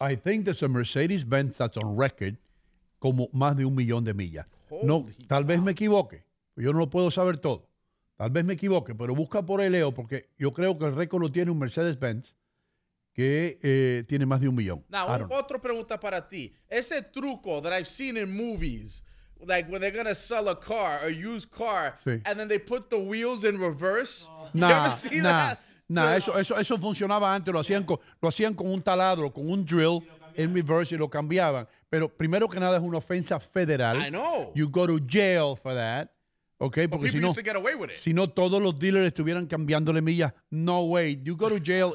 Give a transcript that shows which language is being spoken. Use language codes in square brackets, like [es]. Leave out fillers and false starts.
[en] I think there's a Mercedes-Benz that's on record [es] como más de 1,000,000 de millas. [en] Holy [es] no, tal vez me equivoque. Yo no lo puedo saber todo. Tal vez me equivoque, pero busca por el Leo, porque yo creo que el récord lo tiene un Mercedes-Benz que tiene más de 1,000,000. Now, otra pregunta para ti. Ese truco [en] that I've seen in movies, like when they're going to sell a car, a used car, and then they put the wheels in reverse. [es] Nah, eso funcionaba antes. Lo hacían con un taladro, con un drill en reverse y lo cambiaban. Pero primero que nada es una ofensa federal. [en] I know. You go to jail for that. Okay, but [es] porque [en] people used to get away with it. [es] Si no, todos los dealers estuvieran cambiándole millas. [en] No way. You go to jail.